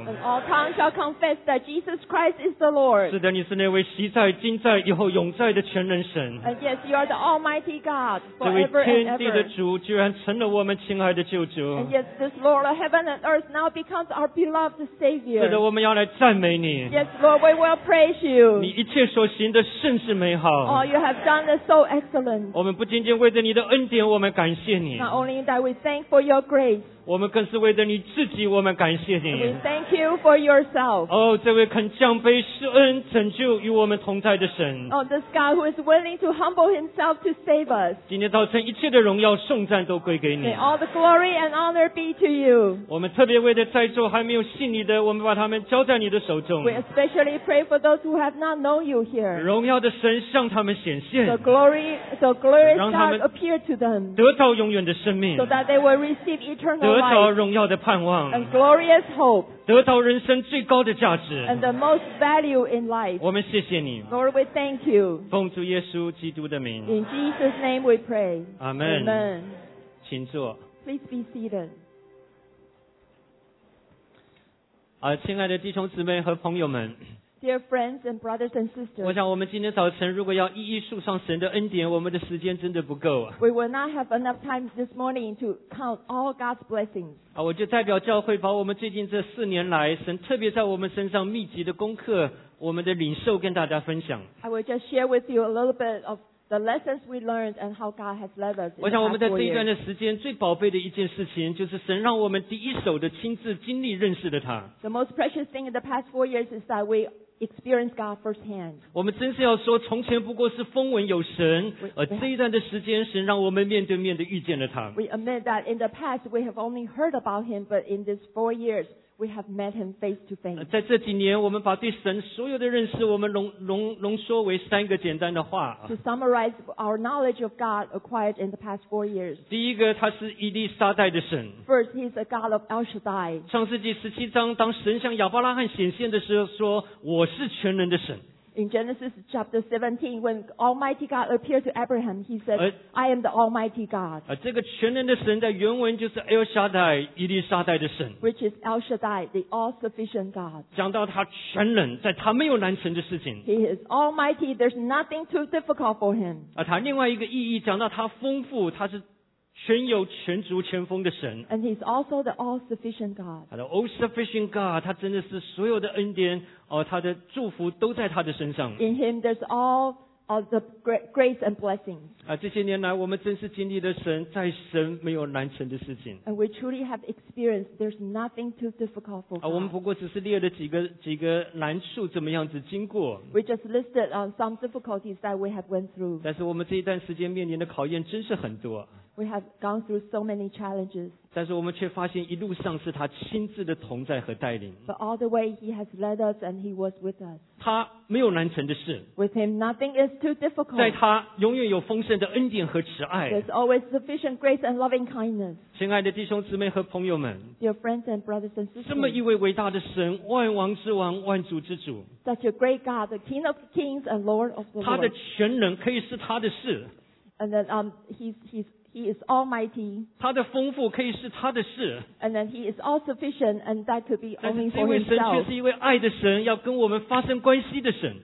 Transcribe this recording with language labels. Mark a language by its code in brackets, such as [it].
[en] And all tongues shall confess that Jesus Christ is the Lord. [zh] 是的，你是那位昔在、今在、以后永在的全能神。 [en] And yes, you are the Almighty God, forever and ever. [zh] 这位天地的主居然成了我们亲爱的救主。 [en] And yes, this Lord of heaven and earth now becomes our beloved Savior. [zh] 是的，我们要来赞美你。 [en] Yes, Lord, we will praise you. [zh] 你一切所行的甚是美好。 [en] All you have done is so excellent. [zh] 我们不仅为着你的恩典，我们感谢你。 [en] Not only that, we thank for your grace. [zh] 我们更是为着你自己，我们感谢你。 [en] We thank you for yourself. [zh] 哦，这位肯降卑施恩、拯救与我们同在的神。 [en] Oh, this God who is willing to humble himself to save us. [zh] 今天早晨一切的荣耀、颂赞都归给你。 [en] May all the glory and honor be to you. [zh] 我们特别为着在座还没有信你的，我们把他们交在你的手中。 [en] We especially pray for those who have not known you here. [zh] 荣耀的神向他们显现。 [en] The glory. God appear to them, [zh] 得到永远的生命， [en] so that they will receive eternal life, [zh] 得到荣耀的盼望， [en] and glorious hope, [zh] 得到人生最高的价值， [en] and the most value in life. [zh] 我们谢谢你， [en] Lord, we thank you. [zh] 奉主耶稣基督的名， [en] in Jesus' name we pray. Amen. Amen. [zh] 请坐。 [en] Please be seated. [zh] 亲爱的弟兄姊妹和朋友们。 [en] Dear friends and brothers and sisters, [zh] 我想我们今天早晨如果要一一述上神的恩典，我们的时间真的不够。 [en] We will not have enough time this morning to count all God's blessings. [zh] 我就代表教会把我们最近这四年来神特别在我们身上密集的功课，我们的领受跟大家分享。 [en] I will just share with you a little bit of the lessons we learned and how God has led us. [zh] 我想我们在这一段的时间最宝贝的一件事情，就是神让我们第一手的亲自经历认识了他。 [en] The most precious thing in the past 4 years is that weExperience God firsthand. [zh] 我们真是要说，从前不过是风闻有神，而这一段的时间，神让我们面对面的遇见了他。 [en] We admit that in the past we have only heard about him, but in these 4 years we have met him face to face. [zh] 在这几年，我们把对神所有的认识，我们浓缩为三个简单的话。 [en] To summarize our knowledge of God acquired in the past 4 years. [zh] 第一个，他是以利沙代的神。 [en] First, he is a God of El Shaddai. [zh] 创世纪十七章，当神向亚伯拉罕显现的时候，说：“我是全能的神。” [en] In Genesis chapter 17, when Almighty God appeared to Abraham, he said, I am the Almighty God. [zh] 这个全能的神在原文就是 El Shaddai, 以利沙代的神。 [en] Which is El Shaddai, the all-sufficient God. [zh] 讲到他全能，在他没有难成的事情。 [en] He is Almighty, there's nothing too difficult for him. [zh] 他另外一个意义讲到他丰富，他是全有全足全丰的神。 [en] And he's also the all-sufficient God. [zh] 他的 [en] all-sufficient God, [zh] 他真的是所有的恩典他的祝福都在他的身上。 [en] In him there's all the grace and blessings. [zh] 这些年来我们真是经历了神在神没有难成的事情。 [en] And we truly have experienced there's nothing too difficult for God. [zh] 我们不过只是列了几个难处怎么样子经过。 [en] We just listed some difficulties that we have went through. [zh] 但是我们这一段时间面临的考验真是很多。 [en] We have gone through so many challenges. [zh] 但是我们却发现一路上是他亲自的同在和带领。 [en] But all the way he has led us and he was with us. [zh] 他没有难成的事。 [en] With him nothing is too difficult. [zh] 在他永远有丰盛的恩典和慈爱。 [en] There's always sufficient grace and loving kindness. [zh] 亲爱的弟兄姊妹和朋友们。 [en] Dear friends and brothers and sisters. [zh] 这么一位伟大的神，万王之王，万主之主。 [en] Such a great God, the King of kings and Lord of the Lord. [zh] 他的全能可以是他的事。 [en] And then he's He is almighty. [zh] 他的丰富可以是他的事。 [en] And then he is all sufficient, and that could be only for himself. [zh] 但是这位神却是一位爱的神，要跟我们发生关系的神。